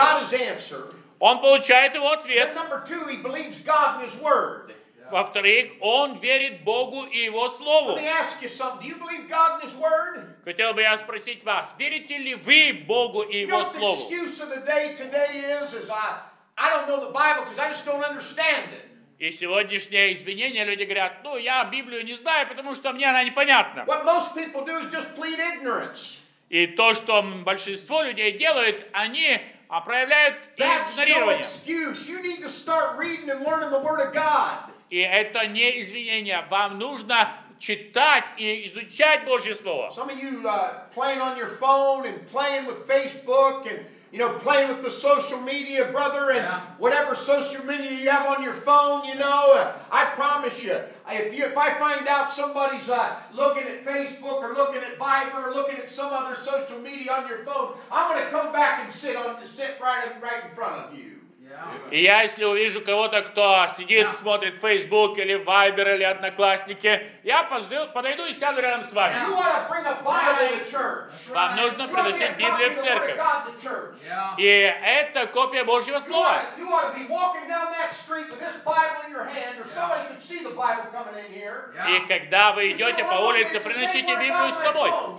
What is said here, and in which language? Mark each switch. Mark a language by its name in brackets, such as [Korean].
[English] He got his answer. [Russian] Он получает его ответ. [English] Then number two, he believes God and his word. [Russian] Во-вторых, он верит Богу и его слову. [English] Let me ask you something. Do you believe God and his word? [Russian] Хотел бы я спросить вас, верите ли вы Богу и его слову? [English] You know, the excuse of the day today is I don't know the Bible because I just don't understand it. [Russian] И сегодняшнее извинение, люди говорят, ну, я Библию не знаю, потому что мне она непонятна. [English] What most people do is just plead ignorance. [Russian] И то, что большинство людей делают, они проявляют игнорирование. [English] That's no excuse. You need to start reading and learning the Word of God. [Russian] И это не извинение. Вам нужно читать и изучать Божье Слово. [English] Some of you playing on your phone and playing with Facebook and You know, playing with the social media, brother, and whatever social media you have on your phone, you know, I promise you, if I find out somebody's looking at Facebook or looking at Viber or looking at some other social media on your phone, I'm going to come back and sit right in front of you. Yeah. [Russian] И я, если увижу кого-то, кто сидит, смотрит Facebook или Viber или Одноклассники, я подойду и сяду рядом с вами. Вам нужно приносить Библию в церковь. И это копия Божьего Слова. И когда вы идете по улице, приносите Библию с собой.